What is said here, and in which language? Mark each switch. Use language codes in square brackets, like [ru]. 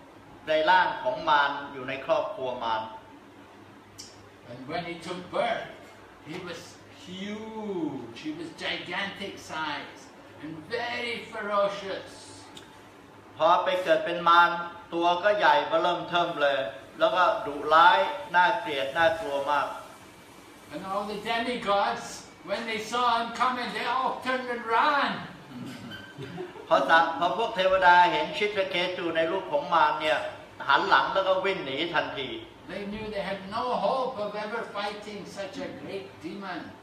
[th] แล้วชิตราเคตุก็ถูกสาปให้ไปเกิดในร่างของมารอยู่ในครอบครัวมาร [en] And when he took birth, he was huge. He was gigantic size and very ferocious. [th] พอไปเกิดเป็นมารตัวก็ใหญ่เบ้อเริ่มเทิมเลยแล้วก็ดุร้ายน่าเกลียดน่ากลัวมาก [en] And all the demigods, when they saw him coming, they all turned and ran. [th] พอพวกเทวดาเห็นชิตราเคตุในรูปของมารเนี่ยหันหลังแล้วก็วิ่งหนีทันที [en] They knew they had no hope of ever fighting such a great demon.